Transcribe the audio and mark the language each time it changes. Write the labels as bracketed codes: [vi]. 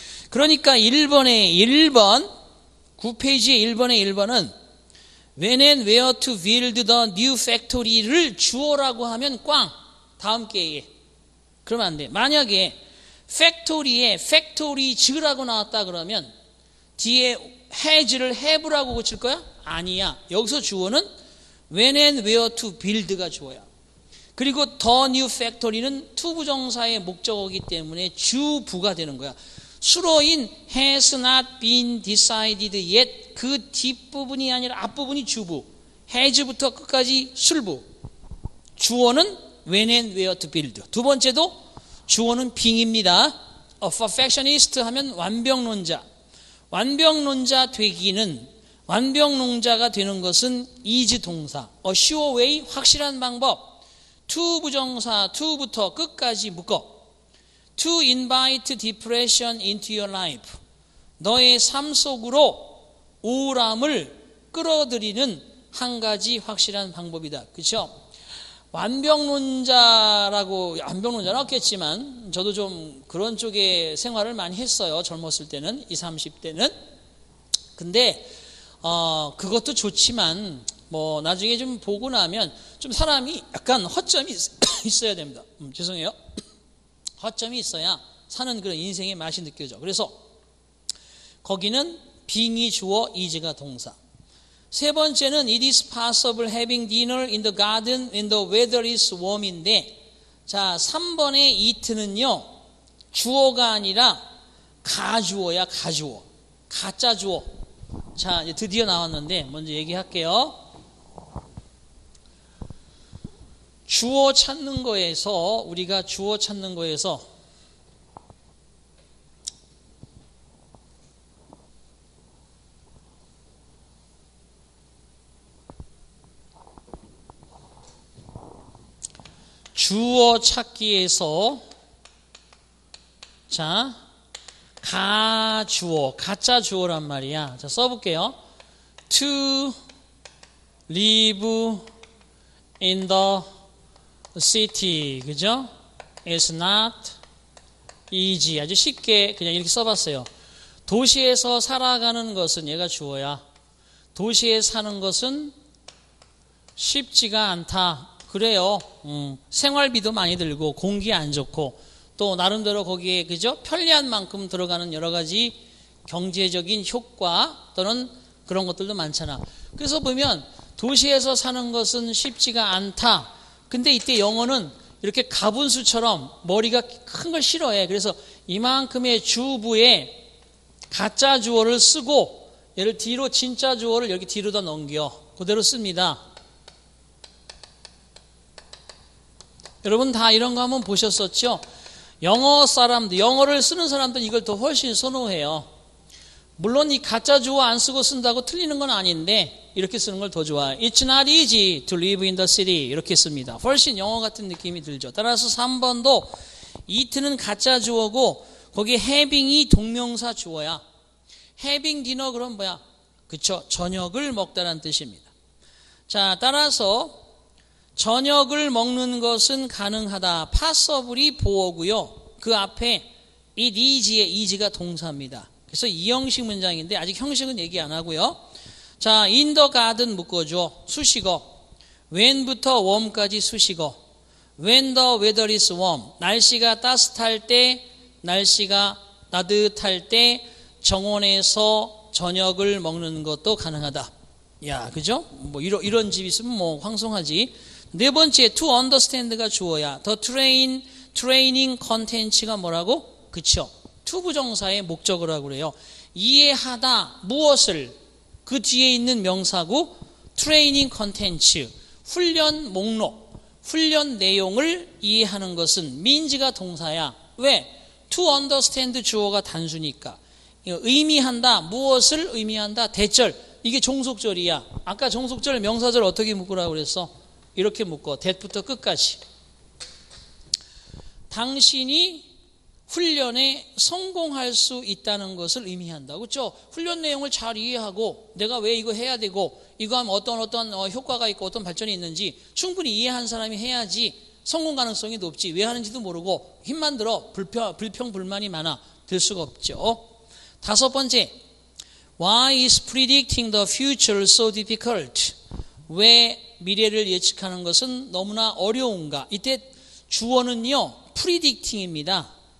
[ko] 그러니까 1번에 1번, 9페이지에 1번에 1번은 [en] when and where to build the new factory [ko] 를 주어라고 하면 꽝. 다음 게에. 그러면 안 돼. 만약에 factory에 factories라고 나왔다 그러면 뒤에 has를 have라고 고칠 거야? 아니야. 여기서 주어는 [en] when and where to build [ko] 가 주어야. 그리고 the new factory는 to 부정사의 목적어이기 때문에 주부가 되는 거야. 수로인 [en] has not been decided yet [ko] 그 뒷부분이 아니라 앞부분이 주부. has부터 끝까지 술부. 주어는 when and where to build. 두 번째도 주어는 being입니다. [en] A perfectionist [ko] 하면 완벽론자. 완벽론자 되기는, 완벽론자가 되는 것은 is 동사. [en] A sure way, [ko] 확실한 방법. to 부정사, to부터 끝까지 묶어. [en] to invite depression into your life. [ko] 너의 삶 속으로 우울함을 끌어들이는 한 가지 확실한 방법이다. 그쵸? 완벽론자라고, 완벽론자는 없겠지만, 저도 좀 그런 쪽에 생활을 많이 했어요. 젊었을 때는, 20, 30대는. 근데, 그것도 좋지만, 뭐, 나중에 좀 보고 나면, 좀 사람이 약간 허점이 있어야 됩니다. 죄송해요. 허점이 있어야 사는 그런 인생의 맛이 느껴져. 그래서, 거기는, being이 주어, is가 동사. [en] 세 번째는 it is possible having dinner in the garden when the weather is warm인데 [ko] 자, 3번의 it는요 주어가 아니라 가주어야, 가주어. 가짜 주어. 자, 이제 드디어 나왔는데 먼저 얘기할게요. 주어 찾는 거에서 우리가 주어 찾는 거에서 주어 찾기에서 자 가주어 가짜 주어란 말이야. 자 써볼게요. [en] To live in the city, 그죠? It's not easy. [ko] 아주 쉽게 그냥 이렇게 써봤어요. 도시에서 살아가는 것은 얘가 주어야. 도시에 사는 것은 쉽지가 않다. 그래요. 생활비도 많이 들고 공기 안 좋고 또 나름대로 거기에 그죠? 편리한 만큼 들어가는 여러 가지 경제적인 효과 또는 그런 것들도 많잖아. 그래서 보면 도시에서 사는 것은 쉽지가 않다. 근데 이때 영어는 이렇게 가분수처럼 머리가 큰 걸 싫어해. 그래서 이만큼의 주부에 가짜 주어를 쓰고 얘를 뒤로 진짜 주어를 이렇게 뒤로다 넘겨. 그대로 씁니다. 여러분 다 이런 거 한번 보셨었죠? 영어 사람들, 영어를 쓰는 사람들은 이걸 더 훨씬 선호해요. 물론 이 가짜 주어 안 쓰고 쓴다고 틀리는 건 아닌데 이렇게 쓰는 걸 더 좋아해. [en] It's not easy to live in the city. [ko] 이렇게 씁니다. 훨씬 영어 같은 느낌이 들죠. 따라서 3번도 eat는 가짜 주어고 거기 having이 동명사 주어야. having dinner 그럼 뭐야? 그쵸. 저녁을 먹다란 뜻입니다. 자, 따라서 저녁을 먹는 것은 가능하다. possible이 보어고요. 그 앞에 it easy의 easy가 동사입니다. 그래서 2형식 문장인데 아직 형식은 얘기 안 하고요. 자, in the garden 묶어줘. 수식어. when부터 warm까지 수식어. [en] when the weather is warm. [ko] 날씨가 따뜻할 때, 날씨가 따뜻할 때 정원에서 저녁을 먹는 것도 가능하다. 야, 그죠? 뭐 이런 집 있으면 뭐 황송하지. 네 번째, to understand가 주어야. the train, training content가 뭐라고? 그쵸. 투부정사의 목적어라 그래요. 이해하다 무엇을 그 뒤에 있는 명사고 트레이닝 컨텐츠 훈련 목록 훈련 내용을 이해하는 것은 means가 동사야. 왜? to understand 주어가 단수니까. 의미한다 무엇을 의미한다 대절 이게 종속절이야. 아까 종속절 명사절 어떻게 묶으라고 그랬어? 이렇게 묶어. 대부터 끝까지 당신이 훈련에 성공할 수 있다는 것을 의미한다. 그렇죠? 훈련 내용을 잘 이해하고 내가 왜 이거 해야 되고 이거 하면 어떤 효과가 있고 어떤 발전이 있는지 충분히 이해한 사람이 해야지 성공 가능성이 높지. 왜 하는지도 모르고 힘만 들어 불평불만이 많아 될 수가 없죠. 다섯 번째, [en] Why is predicting the future so difficult? [ko] 왜 미래를 예측하는 것은 너무나 어려운가? 이때 주어는요, predicting입니다.